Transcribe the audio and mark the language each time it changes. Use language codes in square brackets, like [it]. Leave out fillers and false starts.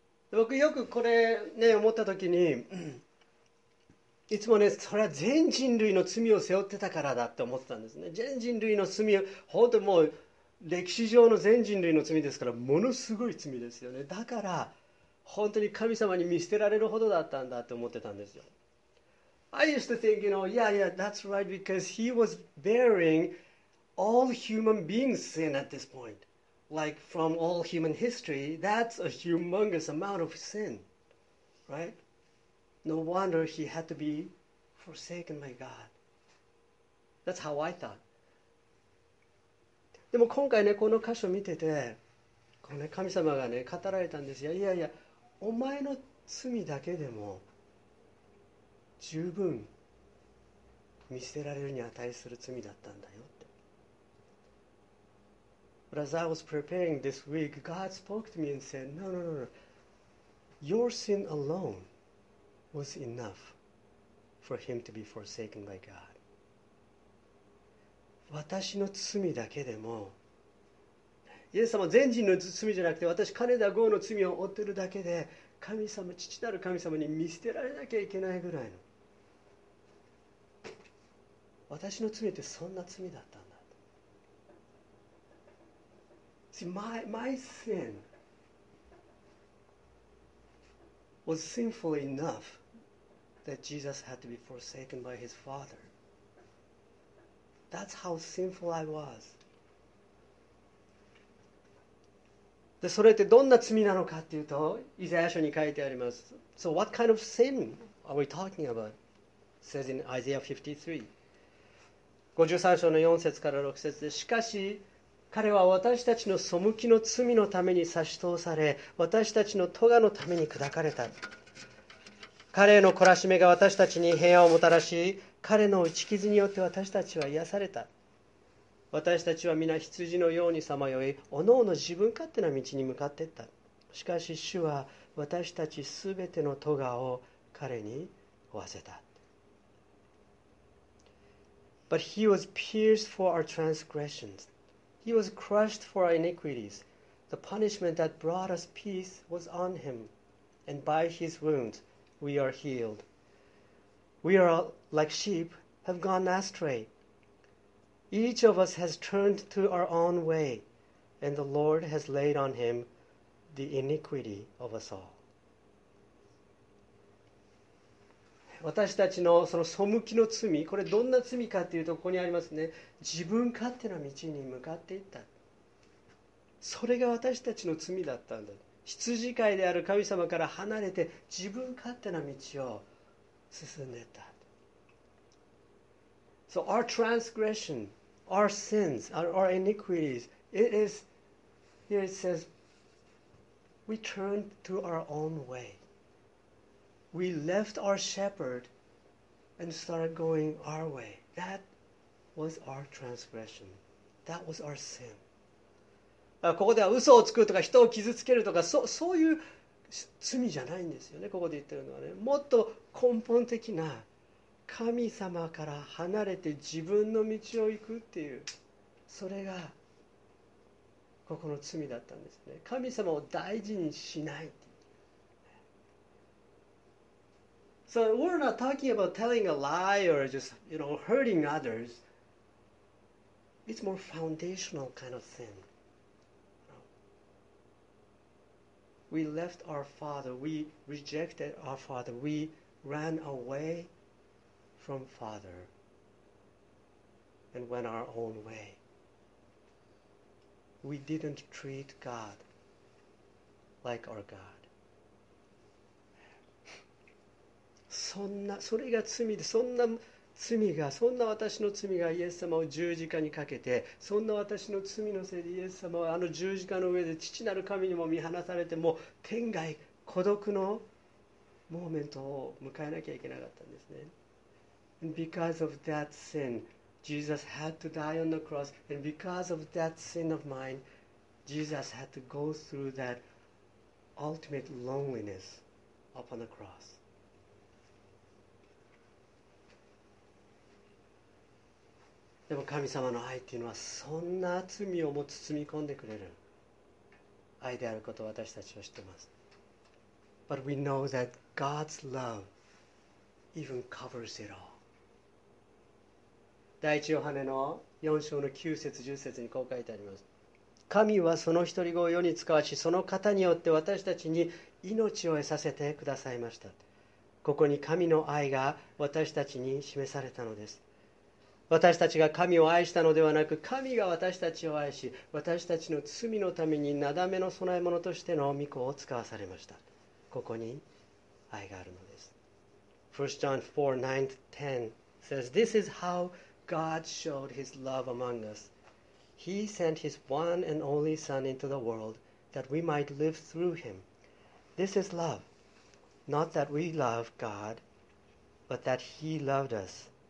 [ja] 僕よくこれね、思った時に、いつもね、それは全人類の罪を背負ってたからだって思ってたんですね。全人類の罪、本当もう歴史上の全人類の罪ですから、ものすごい罪ですよね。だから本当に神様に見捨てられるほどだったんだって思ってたんですよ。 [en] I used to think, you know, that's right, because he was bearing all human beings' sin at this point. Like from all human history, that's a humongous amount of sin, right? No wonder he had to be forsaken by God. That's how I thought. [ja] でも今回ね、この箇所見てて、このね、神様がね、語られたんですよ。お前の罪だけでも十分見捨てられるに値する罪だったんだよって。 [en] But as I was preparing this week, God spoke to me and said, No, no, no, no. Your sin alone was enough for him to be forsaken by God. [ja] 私の罪だけでも、イエス様全人の罪じゃなくて、私金田剛の罪を負ってるだけで、神様、父なる神様に見捨てられなきゃいけないぐらいの、私の罪ってそんな罪だったんだ。 [en] See, my sin was sinful enough that Jesus had to be forsaken by his father. That's how sinful I was. [ja] で、それってどんな罪なのかっていうと、イザヤ書に書いてあります。 [en] So what kind of sin are we talking about? Says in Isaiah 53. [ja] 53章の4節から6節で、しかし彼は私たちの背きの罪のために差し通され、私たちの咎のために砕かれた。彼への懲らしめが私たちに平安をもたらし、彼の打ち傷によって私たちは癒された。私たちは皆羊のようにさまよい、おのおの自分勝手な道に向かっていった。しかし主は私たちすべての咎を彼に負わせた。 [en] But he was pierced for our transgressions. He was crushed for our iniquities. The punishment that brought us peace was on him. And by his wounds,We are healed. We are like sheep have gone astray. Each of us has turned to our own way, and the Lord has laid on him the iniquity of us all. [ja] 私たちのその背きの罪、これどんな罪かっていうと、ここにありますね。自分勝手な道に向かっていった。それが私たちの罪だったんだ。羊飼いである神様から離れて自分勝手な道を進んでいった。 [en] So our transgression, our sins, our iniquities, it is, here it says, we turned to our own way. We left our shepherd and started going our way. That was our transgression. That was our sin. [ja] ここでは嘘をつくとか人を傷つけるとか、そういう罪じゃないんですよね。ここで言ってるのはね、もっと根本的な、神様から離れて自分の道を行くっていう、それがここの罪だったんですね。神様を大事にしない。 [en] So we're not talking about telling a lie or just, you know, hurting others. It's more foundational kind of sin. We left our father. We rejected our father. We ran away from father and went our own way. We didn't treat God like our God. [ja] それが罪で、そんな罪が、そんな私の罪がイエス様を十字架にかけて、そんな私の罪のせいでイエス様はあの十字架の上で父なる神にも見放されて、もう天涯孤独のモーメントを迎えなきゃいけなかったんですね。 [en] And because of that sin, Jesus had to die on the cross. And because of that sin of mine, Jesus had to go through that ultimate loneliness upon the cross. [ja] でも神様の愛っていうのはそんな罪をも包み込んでくれる愛であることを私たちは知ってます。 [en] But we know that God's love even covers it all. [ja] 第一ヨハネの4章の9節10節にこう書いてあります。神はその一人子を世に遣わし、その方によって私たちに命を得させてくださいました。ここに神の愛が私たちに示されたのです。私たちが神を愛したのではなく、神が私たちを愛し、私たちの罪のためになだめの供え物としての御子を使わされました。ここに愛があるのです。 [en] 1 John 4:9-10 says, This is how God showed His love among us. He sent His one and only Son into the world that we might live through Him. This is love. Not that we love God, but that He loved us.